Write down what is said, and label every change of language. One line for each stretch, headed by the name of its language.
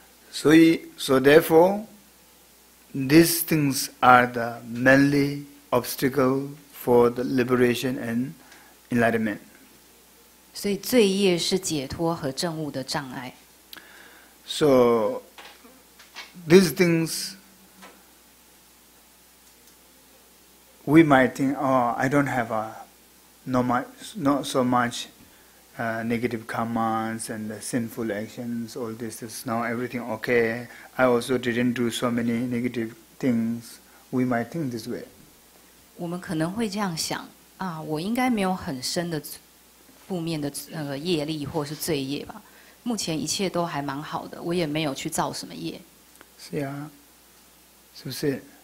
English: So therefore, these things are the mainly obstacle for the liberation and enlightenment.
Chinese: 所以罪业是解脱和证悟的障碍。
English: So these things, we might think, oh, I don't have not so much. Negative commands and the sinful actions, all this is now everything okay. I also didn't do so many negative things. We might think this way.
Chinese: 我们可能会这样想啊，我应该没有很深的负面的那个业力或是罪业吧。目前一切都还蛮好的，我也没有去造什么业。是啊，是不是？